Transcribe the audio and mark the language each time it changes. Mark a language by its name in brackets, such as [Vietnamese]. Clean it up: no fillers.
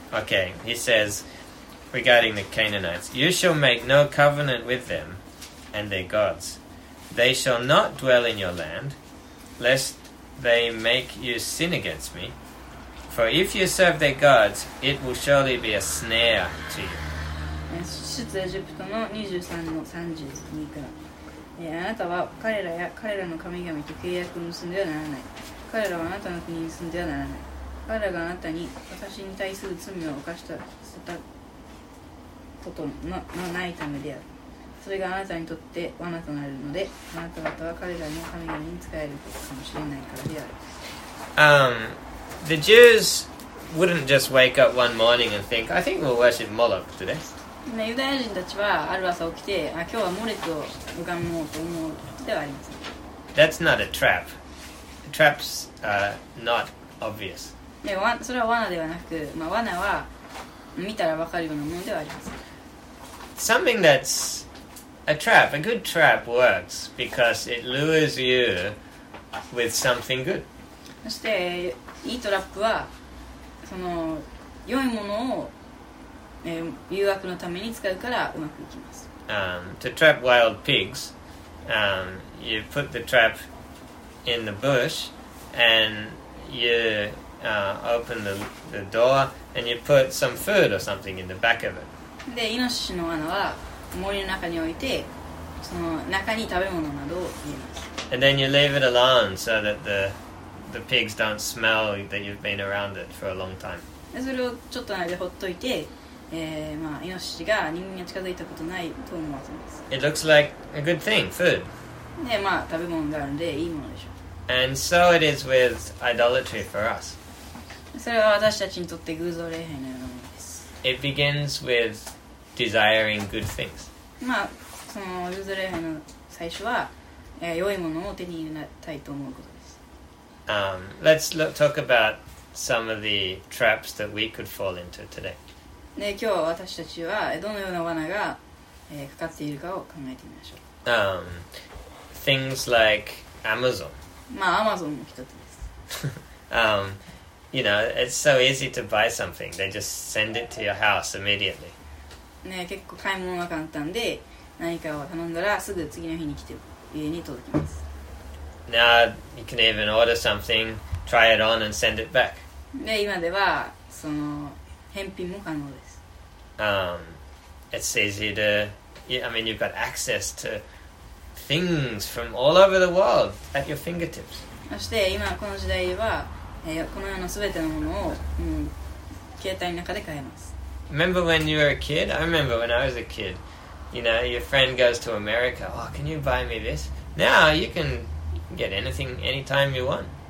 [English] Okay, he says, regarding the Canaanites, You shall make no covenant with them and their gods. They shall not dwell in your land, lest they make you sin against me. For if you serve their gods, it will surely be a snare to you. [Japanese] 出エジプトの23の32から、あなたは彼らや彼らの神々と契約を結んではならない。彼らはあなたの国に住んではならない。彼らがあなたに私に対する罪を犯したことのないためである。それがあなたにとって罠となるので、あなた方は彼らの神々に仕えることかもしれないからである。 [English] The Jews wouldn't just wake up one morning and think, I think we'll worship Moloch today. [Japanese] ね、ユダヤ人たちはある朝起きて、あ、今日はモレットを拝もうと思うではありません。 [English] That's not a trap. Traps are not obvious. [Japanese] ね、それは罠ではなく、まあ、罠は見たらわかるようなものではありません。 [English] Something that's a trap, a good trap works because it lures you with something good. [Japanese] そしていいトラップはその良いものを、誘惑のために使うからうまくいきます。 [English] To trap wild pigs, you put the trap in the bush and you open the door and you put some food or something in the back of it. [Japanese] でイノシシの罠は森の中に置いてその中に食べ物などを入れます。 [English] And then you leave it alone so that the pigs don't smell that you've been around it for a long time. [Japanese] それをちょっと間放っといて、まあイノシシが人間に近づいたことないと思われます。 [English] It looks like a good thing, food. [Japanese] ね、まあ食べ物があるんでいいものでしょう。 [English] And so it is with idolatry for us. [Japanese] それは私たちにとって偶像礼拝のようなものです。 [English] It begins with desiring good things. [Japanese] まあその偶像礼拝の最初は、良いものを手に入れたいと思うこと。 [English] Let's look, talk about some of the traps that we could fall into today. [Japanese] ね、今日私たちはどのような罠が、かかっているかを考えてみましょう。 [English] Things like Amazon. [Japanese] まあ、Amazon も一つです。 [English] you know, it's so easy to buy something. They just send it to your house immediately. [Japanese] ね、結構買い物が簡単で、何かを頼んだらすぐ次の日に来て家に届きます。 [English] Now you can even order something, try it on, and send it back. [Japanese] で、今ではその返品も可能です。 [English] It's easy to, I mean, you've got access to things from all over the world at your fingertips. [Japanese] そして今この時代では、このようなすべてのものを、携帯の中で買えます。 [English] Remember when you were a kid? I remember when I was a kid. You know, your friend goes to America. Oh, can you buy me this? Now you can. Get anything anytime you want.